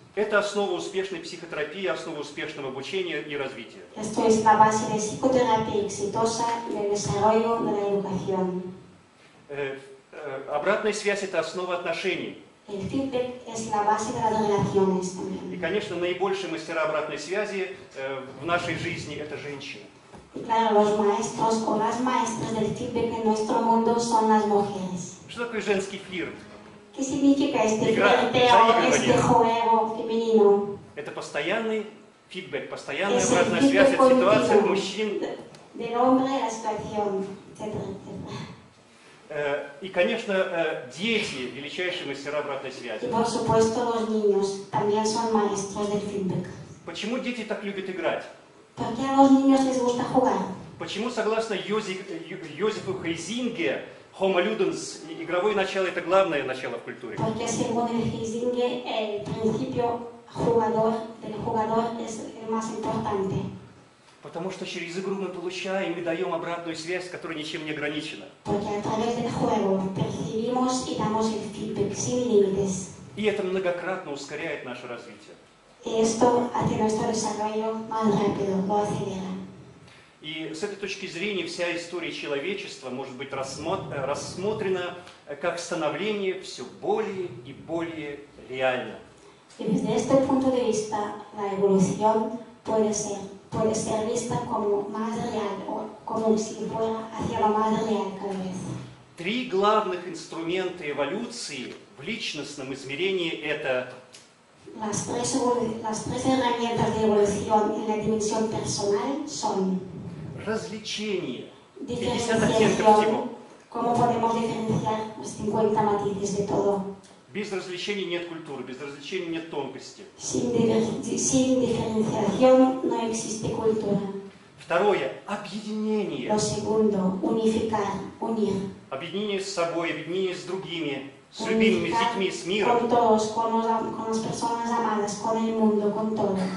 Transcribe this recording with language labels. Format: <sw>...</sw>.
<ru>Это основа успешной психотерапии, основа успешного обучения и развития.</ru> <es>Esto es la base de psicoterapia exitosa y el desarrollo de la educación.</es> <ru>Обратная связь – это основа отношений.</ru> <es>El feedback es la base de las relaciones también.</es> <ru>И, конечно, наибольшие мастера обратной связи в нашей жизни – это женщины.</ru> <es>Claro, los maestros o las maestras del feedback en nuestro mundo son las mujeres.</es> <ru>Что такое женский флирт?</ru> <es>¿Qué significa este flirteo, este juego femenino?</es> <ru>Это постоянный фидбэк, постоянная обратная связь от ситуации мужчин.</ru> <es>Del hombre, la situación, etcétera.</es> <ru>И, конечно, дети – величайшие мастера обратной связи.</ru> <es>Y, por supuesto, los niños también son maestros del feedback.</es> <ru>Почему дети так любят играть?</ru> <es>Porque a los niños les gusta jugar.</es> <ru>Почему, согласно Йозефу Хейзинге, Homo Ludens, игровое начало – это главное начало в культуре?</ru> <es>Porque según el Хейзинге, el principio jugador es el más importante.</es> <ru>Потому что через игру мы получаем и даем обратную связь, которая ничем не ограничена.</ru> <es>Porque a través del juego percibimos y damos el feedback sin límites.</es> <ru>И это многократно ускоряет наше развитие.</ru> <es>Esto hace nuestro desarrollo más rápido, lo acelera.</es> <ru>И с этой точки зрения вся история человечества может быть рассмотрена как становление все более и более реально.</ru> <es>И desde este punto de vista, la evolución puede ser vista como más real, o como si fuera hacia lo más real cada vez.</es> <ru>Три главных инструмента эволюции в личностном измерении это</ru> <es>Las tres herramientas de evolución en la dimensión personal son</es> <ru>Развлечение.</ru> <es>Diferenciación. ¿Cómo podemos diferenciar los 50 matices de todo?</es> <ru>Без развлечений нет культуры, без развлечений нет тонкости.</ru> <es>Sin diferenciación no existe cultura.</es> <ru>Второе – объединение.</ru> <es>Lo segundo – unificar, unir.</es> <ru>Объединение с собой, объединение с другими, с любимыми, с детьми, с миром.</ru> <es>Con todos, con las personas amadas, con el mundo, con todo.</es>